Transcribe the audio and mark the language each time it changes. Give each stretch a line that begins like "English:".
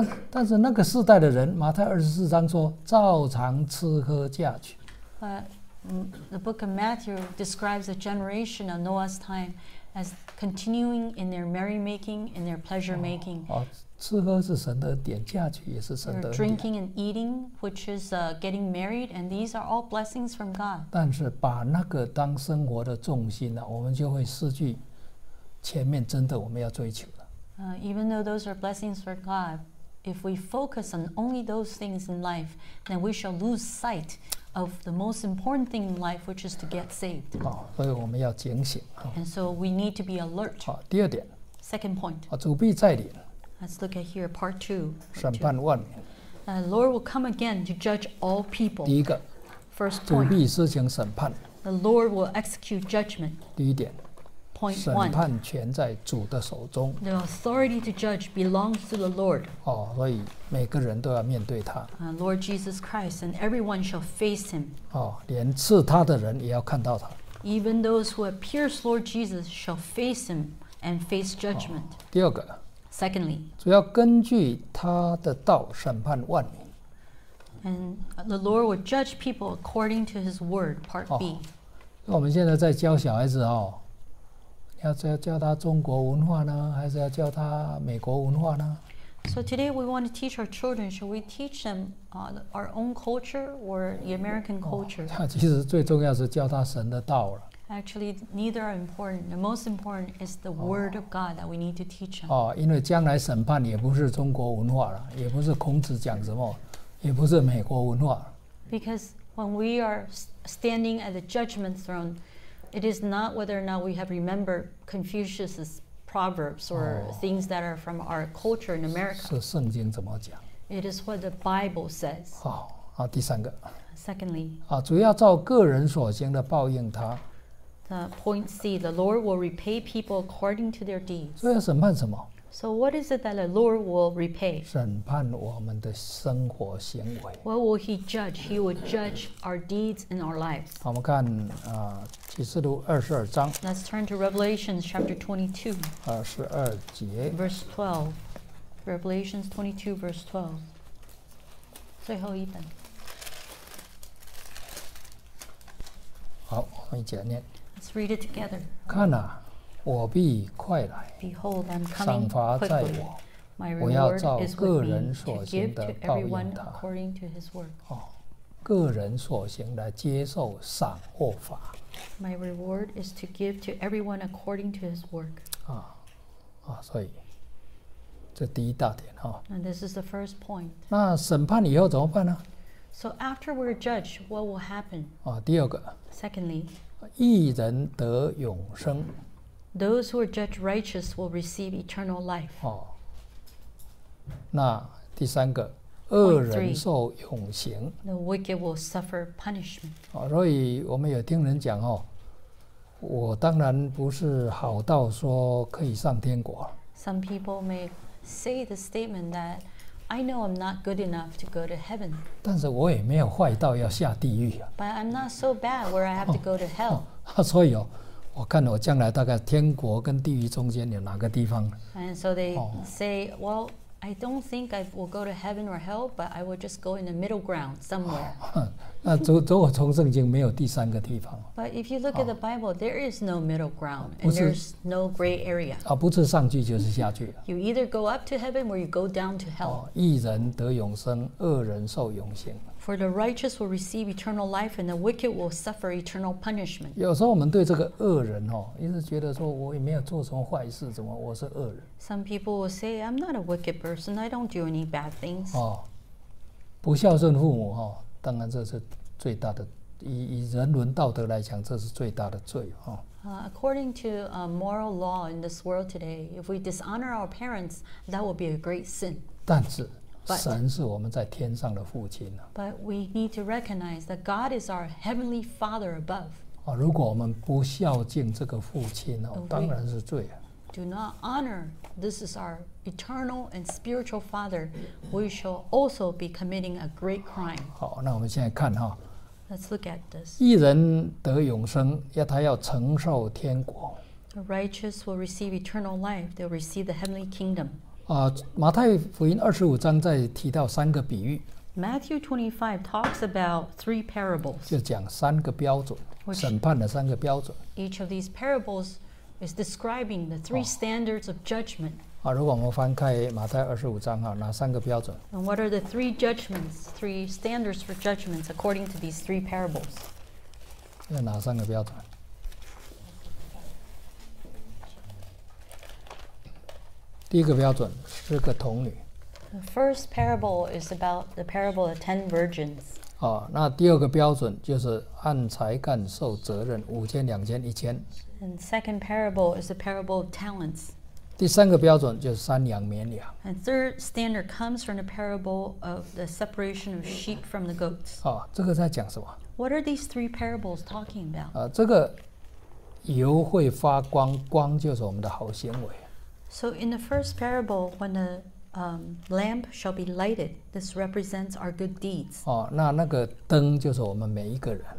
Chinese: 但是那个世代的人，马太二十四章说，照常吃喝嫁娶。
English: But the book of Matthew describes the generation of Noah's time. As continuing in their merrymaking, in their pleasure making.
Chinese: 吃喝是神的恩典，嫁娶也是神的恩典。
English: Drinking and eating, which is getting married, and these are all blessings from God.
Chinese: 但是把那个当生活的重心呢，我们就会失去前面真的我们要追求的。
English: Even though those are blessings from God, if we focus on only those things in life, then we shall lose sight of the most important thing in life, which is to get saved.
Chinese: 所以我们要警醒。
English: And so we need to be alert.
Chinese: 第二点。
English: Second point.
Chinese: 主必再临。
English: Let's look at here part two.
Chinese: 审判万民。
English: The Lord will come again to judge all people.
Chinese: 第一个。
English: First point.
Chinese: 主必施行审判。
English: The Lord will execute judgment.
Chinese: 第一点。
English: Point one.
Chinese: 审判权在主的手中。
English: The authority to judge belongs to the Lord.
Chinese: 所以每个人都要面对他。
English: Lord Jesus Christ, and everyone shall face him.
Chinese: 连刺他的人也要看到他。
English: Even those who have pierced Lord Jesus shall face him and face judgment.
Chinese: 第二个。
English: Secondly.
Chinese: 主要根据他的道审判万民。
English: And the Lord will judge people according to his word, part B.
Chinese: 我们现在在教小孩子要教他中国文化呢，还是要教他美国文化呢？
English: So today we want to teach our children. Should we teach them our own culture or the American culture?
Chinese: 其实最重要是教他神的道了。
English: Actually, neither are important. The most important is the word of God that we need to teach them.
Chinese: 因为将来审判也不是中国文化了，也不是孔子讲什么，也不是美国文化。
English: Because when we are standing at the judgment throne, it is not whether or not we have remembered Confucius's. Proverbs or things that are from our culture in America.
Chinese: 是圣经怎么讲?
English: It is what the Bible says.
Chinese: 第三个。
English: Secondly.
Chinese: 主要照个人所行的报应他。
English: The point C, the Lord will repay people according to their deeds.
Chinese: 所以要审判什么?
English: So what is it that the Lord will repay?
Chinese: 审判我们的生活行为。
English: What will he judge? He will judge our deeds and our lives.
Chinese: 我们看启示录二十二章。
English: Let's turn to Revelation chapter 22.
Chinese: 22节。
English: Verse 12. Revelation 22 verse 12。
Chinese: 最后一本。好，我们一起来念。
English: Let's read it together.
Chinese: 看啊，我必快来。
English: Behold, I'm coming quickly.
Chinese: 赏罚在我。我要照个人所行的报应他。哦，个人所行的接受赏或罚。
English: My reward is to give to everyone according to his work.
Chinese: 啊，啊，所以这第一大点哈。
English: And this is the first point.
Chinese: 那审判以后怎么办呢？
English: So after we're judged, what will happen?
Chinese: 啊，第二个。
English: Secondly,
Chinese: 义人得永生。
English: Those who are judged righteous will receive eternal life.
Chinese: 哦。那第三个，恶人受永刑。
English: The wicked will suffer punishment.
Chinese: 所以我们有听人讲哦，我当然不是好到说可以上天国。
English: Some people may say the statement that I know I'm not good enough to go to heaven.
Chinese: 但是我也没有坏到要下地狱。
English: But I'm not so bad where I have to go to hell.
Chinese: 所以哦，我看我将来大概天国跟地狱中间有哪个地方。
English: And so they say, well,I don't think I will go to heaven or hell, but I will just go in the middle ground somewhere.
Chinese: 那如果从圣经没有第三个地方。
English: But if you look at the Bible, there is no middle ground, and there's no gray area.
Chinese: 不是上去就是下去。
English: You either go up to heaven or you go down to hell.
Chinese: 义人得永生，恶人受永刑。
English: For the righteous will receive eternal life, and the wicked will suffer eternal punishment.
Chinese: 有时候我们对这个恶人哦，一直觉得说我也没有做什么坏事，怎么我是恶人？
English: Some people will say, "I'm not a wicked person. I don't do any bad things."
Chinese: 哦，不孝顺父母哦，当然这是最大的，以人伦道德来讲，这是最大的罪哦。
English: According to moral law in this world today, if we dishonor our parents, that will be a great sin.
Chinese: 但是。神是我们在天上的父亲、啊、
English: But we need to recognize that God is our heavenly Father above.、
Chinese: 啊、如果我们不孝敬这个父亲、啊、当然是罪、啊、
English: Do not honor this is our eternal and spiritual Father. We shall also be committing a great crime.
Chinese: 好，那我们现在看哈、啊。
English: Let's look at this.
Chinese: 义人得永生，要他要承受天国。
English: The righteous will receive eternal life. They'll receive the heavenly kingdom.
Chinese: 马太福音二十五章在提到三个比喻。
English: Matthew 25 talks about three parables.
Chinese: 就讲三个标准，审判的三个标准。
English: Each of these parables is describing the three standards of judgment.
Chinese: 如果我们翻开马太二十五章哪三个标准
English: ？And what are the three judgments, three standards for judgments according to these three parables?
Chinese: 要哪三个标准？第一个标准是个童女。
English: The first parable is about the parable of ten virgins.
Chinese: 那第二个标准就是按才干受责任，五千、两千、一千。
English: And second parable is the parable of talents.
Chinese: 第三个标准就是山羊绵羊。
English: And third standard comes from the parable of the separation of sheep from the goats.
Chinese: 这个在讲什么
English: ？What are these three parables talking about？
Chinese: 这个油会发光，光就是我们的好行为。
English: So in the first parable, when the lamp shall be lighted, this represents our good deeds.
Chinese: 那个灯就是我们每一个人。